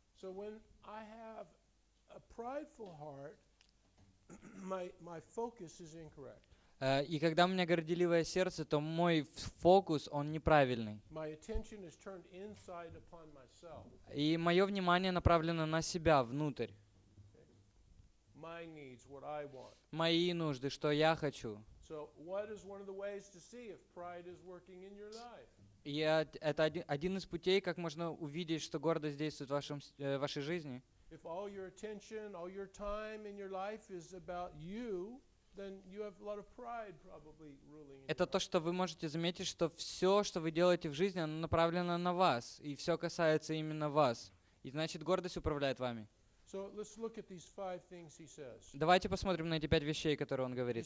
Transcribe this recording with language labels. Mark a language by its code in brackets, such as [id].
[en] So when I have a prideful heart, my focus is incorrect. [ru] И когда у меня горделивое сердце, то мой фокус, он неправильный. [en] My attention is turned inside upon myself. [ru] И мое внимание направлено на себя, внутрь. [en] My needs, what I want. [ru] Мои нужды, что я хочу. [en] So what is one of the ways to see if pride is working in your life? [ru] И это один из путей, как можно увидеть, что гордость действует в вашей жизни. [en] If all your attention, all your time in your life is about you, then you have a lot of pride probably ruling in your life. [ru] Это то, что вы можете заметить, что все, что вы делаете в жизни, оно направлено на вас, и все касается именно вас. И значит, гордость управляет вами. [en] So let's look at these five things he says. [ru] Давайте посмотрим на эти пять вещей, которые он говорит.